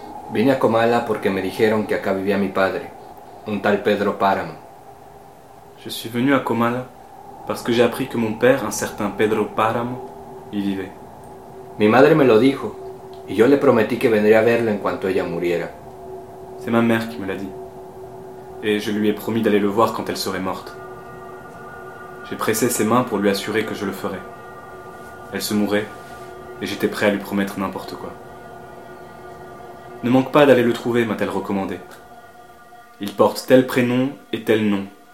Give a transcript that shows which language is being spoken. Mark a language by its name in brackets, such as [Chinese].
[Spanish] Vine a Comala porque me dijeron que acá vivía mi padre, un tal Pedro Páramo. [French] Je suis venu à Comala parce que j'ai appris que mon père, un certain Pedro Páramo, y vivait. [Spanish] Mi madre me lo dijo, y yo le prometí que vendría a verla en cuanto ella muriera. [French] C'est ma mère qui me l'a dit, et je lui ai promis d'aller le voir quand elle serait morte. J'ai pressé ses mains pour lui assurer que je le ferais. Elle se mourait, et j'étais prêt à lui promettre n'importe quoi. Ne manque pas d'aller le trouver, m'a-t-elle recommandé. Il porte tel prénom et tel nom.